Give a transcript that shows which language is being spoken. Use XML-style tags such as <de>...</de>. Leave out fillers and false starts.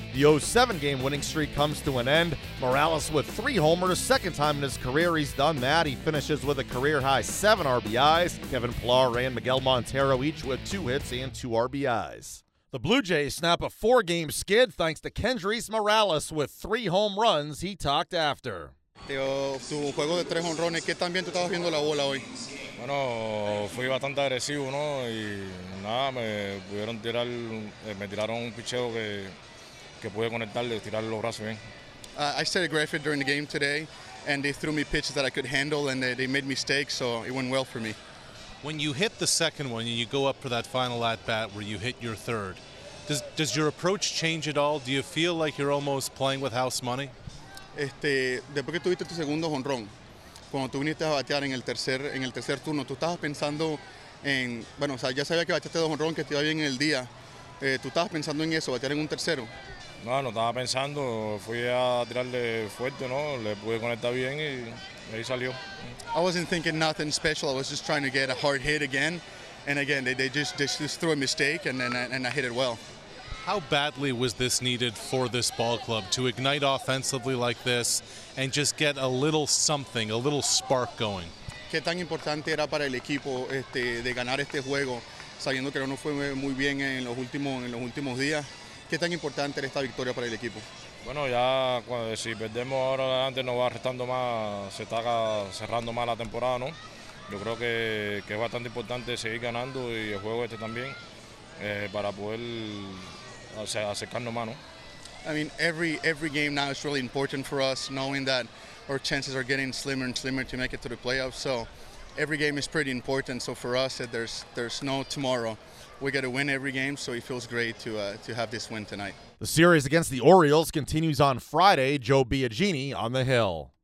<en>The 0-7 game winning streak comes to an end. Morales with three homers, second time in his career he's done that. He finishes with a career-high seven RBIs. Kevin Pillar and Miguel Montero each with two hits and two RBIs. The Blue Jays snap a four-game skid thanks to Kendrys Morales with three home runs he talked after.</en> <es>Tu juego de tres jonrones, ¿qué tan bien tú estabas viendo la bola hoy? Bueno, fui bastante agresivo, ¿no? Y nada, me tiraron un picheo que pude conectarle, tirar los brazos bien.</es> <en>I started Griffin during the game today, and they threw me pitches that I could handle, and they made mistakes, so it went well for me. When you hit the second one, and you go up for that final at-bat where you hit your third, does your approach change at all? Do you feel like you're almost playing with house money?</en> <es>Después que tuviste tu segundo jonrón, cuando tú viniste a batear en el tercer turno, tú estabas pensando en, bueno, o sea, ya sabía que bateaste dos jonrón, que te iba bien en el día. ¿Tú estabas pensando en eso, batear en un tercero? No estaba pensando. Fui a tirarle fuerte, ¿no? Le pude conectar bien y ahí salió.</es> <en>I wasn't thinking nothing special. I was just trying to get a hard hit again. And again, they just threw a mistake and I hit it well. How badly was this needed for this ball club to ignite offensively like this and just get a little something, a little spark going?</en> <es>¿Qué tan importante era para el equipo de ganar este juego, sabiendo que no fue muy bien en los últimos días? ¿Qué tan importante era esta victoria para el equipo? Bueno, ya cuando si perdemos ahora adelante nos va restando más, se está cerrando más la temporada, ¿no? Yo creo que es bastante importante seguir ganando y el juego este también para poder acercarnos más, ¿no?</es> <en>I mean, every game now is really important for us, knowing that our chances are getting slimmer and slimmer to make it to the playoffs. So every game is pretty important. So for us, there's no tomorrow. We got to win every game, so it feels great to have this win tonight. The series against the Orioles continues on Friday. Joe Biagini on the Hill.</en>